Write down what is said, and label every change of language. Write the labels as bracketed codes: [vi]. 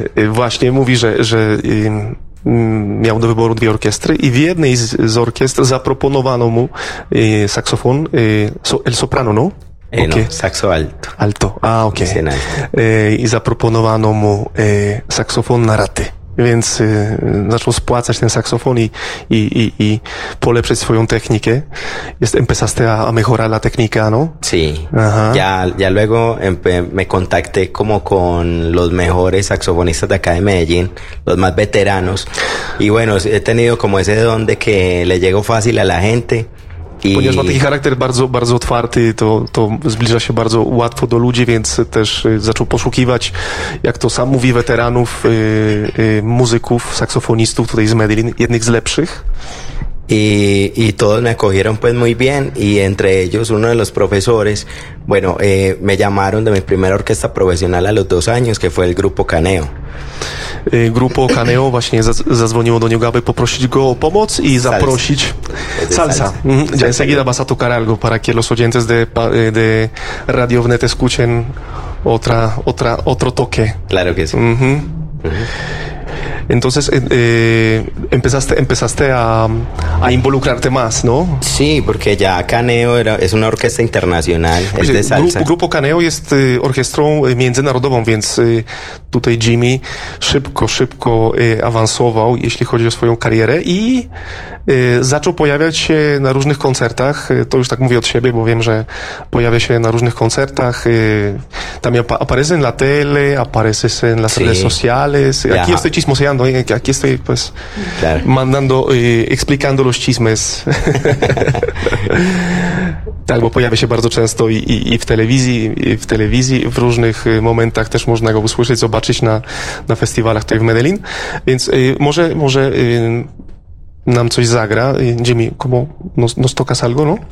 [pl] Właśnie mówi, że miał do wyboru dwie orkiestry i w jednej z orkiestr zaproponowano mu saksofon, [es] el soprano, no? Okay. No, saxo alto. Alto, ah, ok. [pl] I zaproponowano mu saksofon na raty. Więc zaczął spłacać ten saksofon i polepszyć swoją technikę. [es] Empezaste a mejorar la técnica, no? Sí. Ajá. Ya luego me contacté como con los mejores saxofonistas de acá de Medellín, los más veteranos. Y bueno, he tenido como ese don de que le llego fácil a la gente. [pl] Ponieważ ma taki charakter bardzo, bardzo otwarty, to zbliża się bardzo łatwo do ludzi, więc też zaczął poszukiwać, jak to sam mówi, weteranów, muzyków, saksofonistów tutaj z Medellin, jednych z lepszych. [es] Y todos me acogieron pues muy bien, y entre ellos uno de los profesores, bueno, me llamaron de mi primera orquesta profesional a los 2 años, que fue el Grupo Caneo. [pl] Grupo Caneo właśnie zadzwoniło do niego, aby poprosić go o pomoc i zaprosić salsa. [es] Ya enseguida vas a tocar algo para que los oyentes de Radio Vnet escuchen otro toque. Claro que sí. Entonces empezaste a involucrarte más, ¿no? Sí, porque ya Caneo es una orquesta internacional, pues es de salsa. [pl] Grupo Caneo jest orkiestrą międzynarodową, więc tutaj Jimmy szybko awansował, jeśli chodzi o swoją karierę, i zaczął pojawiać się na różnych koncertach. To już tak mówię od siebie, bo wiem, że pojawia się na różnych koncertach. [es] Tam aparece en la tele, aparece en las redes sociales. Aquí estoy chismoseando, aquí estoy pues mandando, explicando los chismes. [pl] Tak, bo pojawia się bardzo często i w telewizji, w różnych momentach też można go usłyszeć, zobaczyć na festiwalach tutaj w Medellin. Więc może nam coś zagra. [es] Jimmy, ¿cómo nos tocas algo, no?